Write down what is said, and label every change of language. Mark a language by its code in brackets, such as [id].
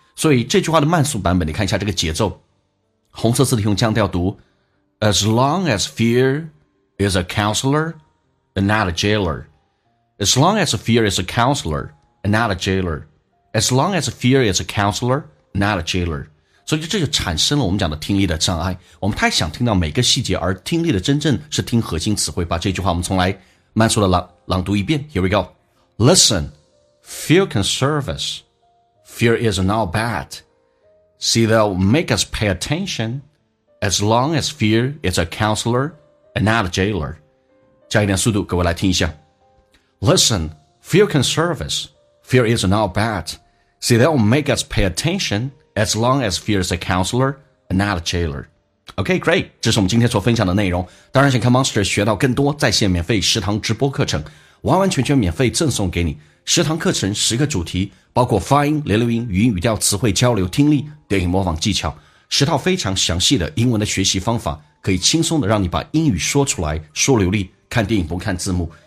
[zh] 所以这句话的慢速版本，你看一下这个节奏，红色字体用降调读 [en] as long as fear is a counselor and not a jailer， as long as fear is a counselor and not a jailer， as long as fear is a counselor not a jailer。 [zh] 所以这就产生了我们讲的听力的障碍，我们太想听到每个细节，而听力的真正是听核心词汇。把这句话我们从来慢速的 朗读一遍。 [en] Here we go. Listen, fear can serve us. Fear is not bad. See, they'll make us pay attention as long as fear is a counselor and not a jailer. [zh] 加一点速度，各位来听一下。 [en] Listen, fear can serve us. Fear is not bad. See, they'll make us pay attentionAs long as fear is a counselor and not a jailer. Okay, great. [zh] 这是我们今天所分享的内容。当然想看 Monster 学到更多在线免费食堂直播课程，完完全全免费赠送给你。食堂课程十个主题，包括发音、连读音、语音语调、词汇交流、听力、电影模仿技巧，十套非常详细的英文的学习方法，可以轻松的让你把英语说出来，说流利，看电影不看字幕。